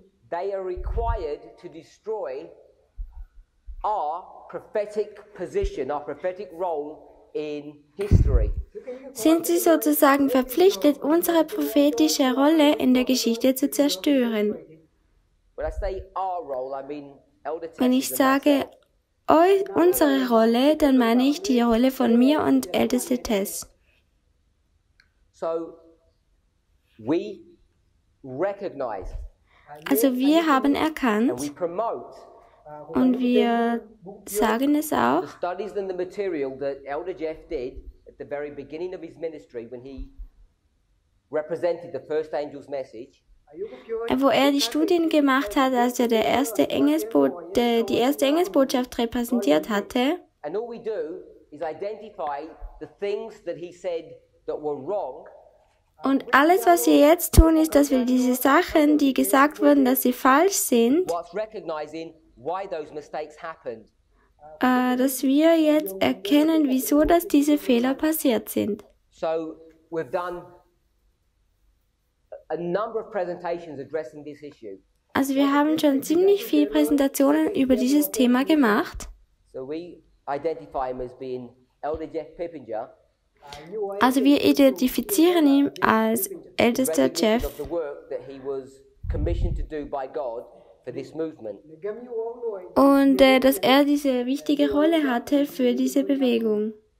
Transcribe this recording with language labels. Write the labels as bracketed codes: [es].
[en] they are required to destroy our prophetic position, our prophetic role in history. [de] Sind sie sozusagen verpflichtet, unsere prophetische Rolle in der Geschichte zu zerstören? [en] When I say our role, I mean Elder [de] Wenn ich sage unsere Rolle, dann meine ich die Rolle von mir und Älteste Tess. [en] So, we recognize. [de] Also wir haben erkannt und wir sagen es auch, wo er die Studien gemacht hat, als er die erste Engelsbotschaft repräsentiert hatte. [en] Und all we do is identify the things that he said that were wrong. [de] Und alles, was wir jetzt tun, ist, dass wir diese Sachen, die gesagt wurden, dass sie falsch sind, dass wir jetzt erkennen, wieso dass diese Fehler passiert sind. [en] So, we've done a number of presentations addressing this issue. [de] Also wir haben schon ziemlich viele Präsentationen über dieses Thema gemacht. Also wir identifizieren ihn als ältester Jeff. Und dass er diese wichtige Rolle hatte für diese Bewegung.